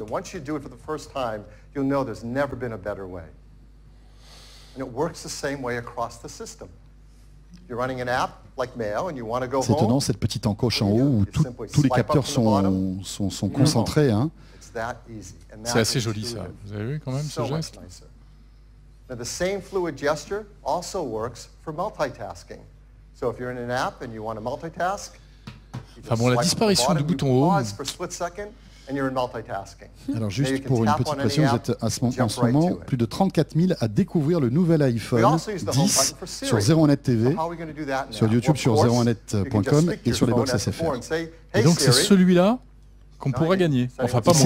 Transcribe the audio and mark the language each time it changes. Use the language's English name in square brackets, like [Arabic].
[English] And once you do it for the first time, you'll know there's never been a better way. And it works the same way across the system. You're running an app like Mail and you want to go home. [French] C'est étonnant cette petite encoche en haut où tous les capteurs sont concentrés, hein. C'est assez joli ça. Vous avez vu quand même ce geste? [English] Now the same fluid gesture also works for multitasking. So if you're in an app and you want to multitask, [French] enfin bon, la disparition du bouton haut. [English] And you're in multitasking. [French] Alors juste pour une petite précision, vous êtes en ce moment plus de 34 000 à découvrir le nouvel iPhone 10 sur 01net TV, sur YouTube, sur 01net.com et sur les box SFR. Et donc c'est celui-là qu'on pourra gagner, enfin pas moins.